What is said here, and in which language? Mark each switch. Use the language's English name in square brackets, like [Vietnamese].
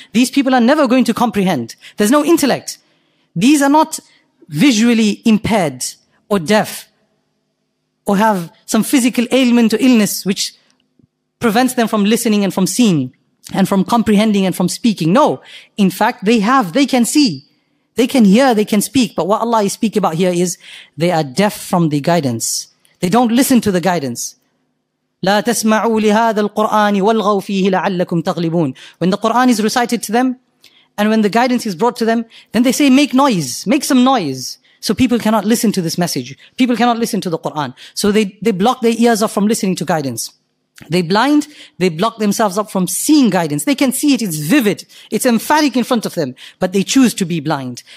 [English] These people are never going to comprehend. There's no intellect. These are not visually impaired or deaf or have some physical ailment or illness which prevents them from listening and from seeing and from comprehending and from speaking. No. In fact, they can see. They can hear, they can speak, but what Allah is speaking about here is they are deaf from the guidance. They don't listen to the guidance. [Arabic] لا تسمعوا لهذا القرآن والغوا فيه لعلكم تغلبون. [English] When the Quran is recited to them, and when the guidance is brought to them, then they say, make noise, make some noise. So people cannot listen to this message. People cannot listen to the Quran. So they block their ears off from listening to guidance. They blind, they block themselves up from seeing guidance. They can see it, it's vivid, it's emphatic in front of them, but they choose to be blind.